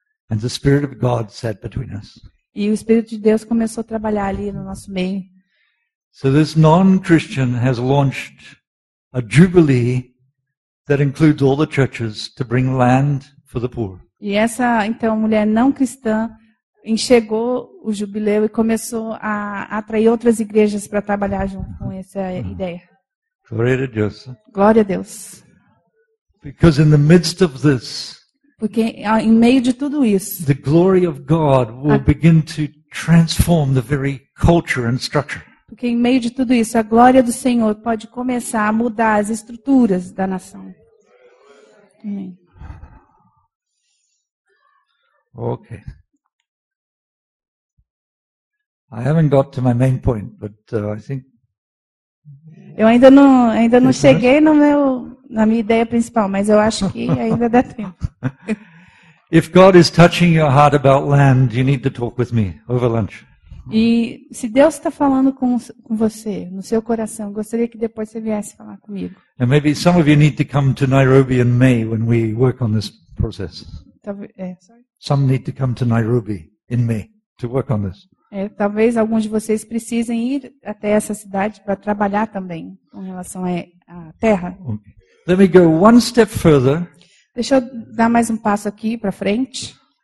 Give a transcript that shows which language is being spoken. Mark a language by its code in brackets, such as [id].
[en] And the Spirit of God sat between us. [pt] E o Espírito de Deus começou a trabalhar ali no nosso meio. [en] So this non-Christian has launched a jubilee that includes all the churches to bring land for the poor. [pt] E essa então mulher não cristã enxergou o jubileu e começou a atrair outras igrejas para trabalhar junto com essa ideia. Glória a Deus. Glória a Deus. [en] Because in the midst of this, [pt] porque em meio de tudo isso, [en] the glory of God will begin to transform the very culture and structure. [pt] Porque em meio de tudo isso, a glória do Senhor pode começar a mudar as estruturas da nação. Amém. Ok. [en] I haven't got to my main point, but I think. [pt] Eu ainda não cheguei na minha ideia principal, mas eu acho que ainda dá tempo. [en] If God is touching your heart about land, you need to talk with me over lunch. [pt] E se Deus está falando com você no seu coração, gostaria que depois você viesse falar comigo. [en] And maybe some of you need to come to Nairobi in May when we work on this process. Some need to come to Nairobi in May to work on this. [pt] É, talvez alguns de vocês precisem ir até essa cidade para trabalhar também com relação à terra. [en] Let me go one step further. [pt] Deixa eu dar mais um passo aqui para frente.